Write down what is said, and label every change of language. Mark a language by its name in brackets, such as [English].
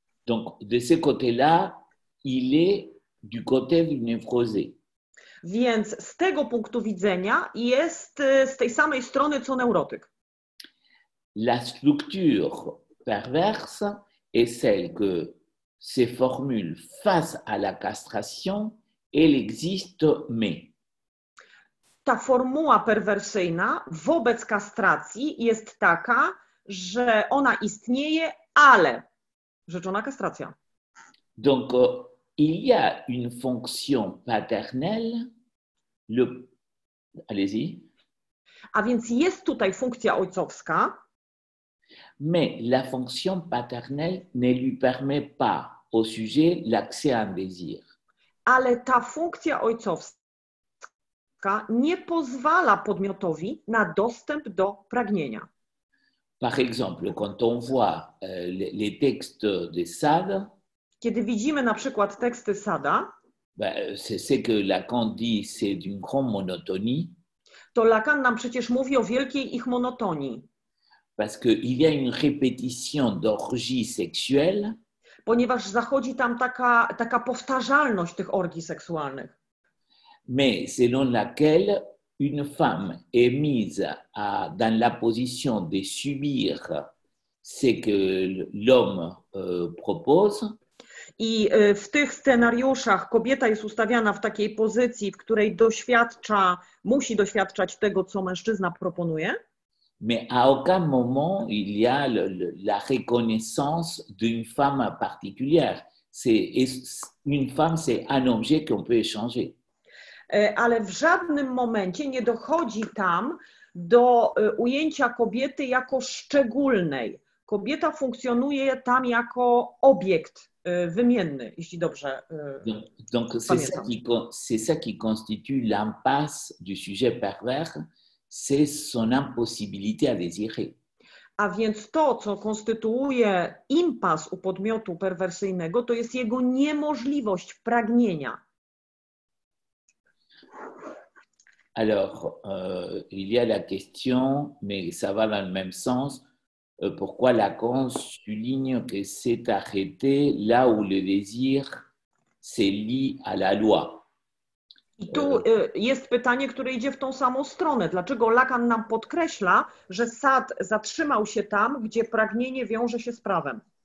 [French] Donc, de ce côté-là, il est du côté du névrosé. [Polish] Więc z tego punktu widzenia jest z tej samej strony co neurotyk. [French] La structure perverse est celle que se formule face à la castration, elle existe mais. [Polish] Ta formuła perwersyjna wobec kastracji jest taka, że ona istnieje, ale rzeczona kastracja. [French] Donc il y a une fonction paternelle. Allez-y. [Polish] A więc jest tutaj funkcja ojcowska. [French] Mais la fonction paternelle ne lui permet pas au sujet l'accès à un désir. [Polish] Ale ta funkcja ojcowska nie pozwala podmiotowi na dostęp do pragnienia. [French] Par exemple, quand on voit les textes de Sade. [Polish] Kiedy widzimy na przykład teksty Sada, [French] c'est que Lacan dit, c'est d'une grande monotonie. [Polish] To Lacan nam przecież mówi o wielkiej ich monotonii. [French] Parce que il y a une répétition d'orgie sexuelle. [Polish] Ponieważ zachodzi tam taka powtarzalność tych orgii seksualnych. [French] Mais selon laquelle une femme est mise dans la position de subir ce que l'homme propose. [Polish] I w tych scenariuszach kobieta jest ustawiana w takiej pozycji, w której doświadcza, musi doświadczać tego, co mężczyzna proponuje. [French] Mais à aucun moment il y a la reconnaissance d'une femme particulière. Une femme, c'est un objet qu'on peut échanger. [Polish] Ale w żadnym momencie nie dochodzi tam do ujęcia kobiety jako szczególnej. Kobieta funkcjonuje tam jako obiekt wymienny, jeśli dobrze [French] donc, c'est ça qui constitue l'impasse du sujet pervers, c'est son impossibilité à désirer. [Polish] A więc to, co konstytuuje impas u podmiotu perwersyjnego, to jest jego niemożliwość pragnienia. [French] Alors, il y a la question, mais ça va dans le même sens, pourquoi Lacan souligne que c'est arrêté là où le désir se lie à la loi. [Polish] I tu jest pytanie, które idzie w tą samą stronę. Dlaczego Lacan nam podkreśla, że Sad zatrzymał się tam, gdzie pragnienie wiąże się z prawem?